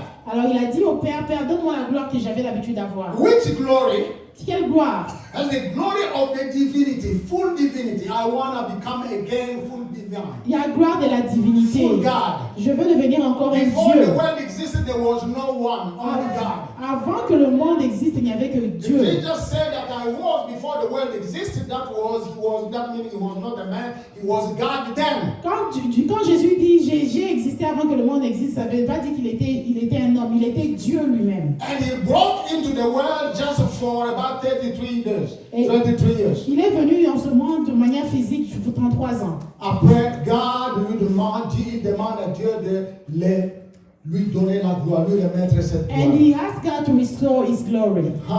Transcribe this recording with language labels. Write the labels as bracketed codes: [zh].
[fr] Alors il a dit au Père, Père, donne-moi la gloire que j'avais l'habitude d'avoir. [en] Which glory? [fr] Quelle gloire? [en] As the glory of the divinity, full divinity. I want to become again full divine. [fr] Il y a gloire de la divinité. [en] Full God. [fr] Je veux devenir encore un Dieu. [en] Before the world existed, there was no one, only God. [fr] Avant que le monde existe, il n'y avait que Dieu. [en] He just said that I was before the world existed. That means he was not a man. He was God then. [fr] Quand Jésus dit j'ai existé avant que le monde existe, ça ne veut pas dire qu'il était un homme. Il était Dieu lui-même. [en] And he broke into the world just for about 33 years. [fr] Il est venu dans ce monde de manière physique pour 33 ans. Après, God lui demande à Dieu de lui donner la gloire, lui remettre cette gloire. [en] And he asked God to restore his glory.